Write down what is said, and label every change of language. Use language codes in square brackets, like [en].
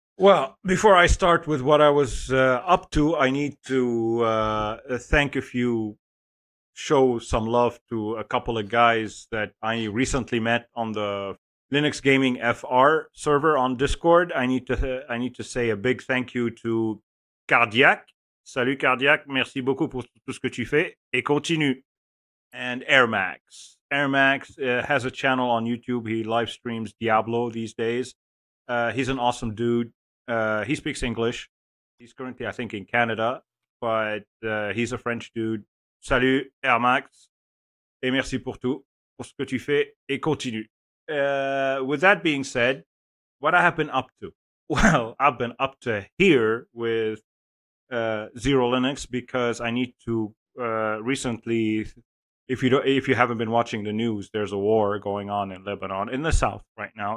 [en] Well, before I start with what I was up to, I need to thank a few, show some love to a couple of guys that I recently met on the Linux Gaming FR server on Discord. I need to say a big thank you to Cardiac. [fr] Salut Cardiac, merci beaucoup pour tout ce que tu fais et continue. [en] And Air Max. Air Max has a channel on YouTube. He live streams Diablo these days. He's an awesome dude. He speaks English. He's currently, I think, in Canada, but he's a French dude. [fr] Salut, Air Max. Et merci pour tout, pour ce que tu fais, et continue. [en] With that being said, what I have been up to? Well, I've been up to here with Zero Linux because I need to recently. If you don't, if you haven't been watching the news, there's a war going on in Lebanon in the south right now.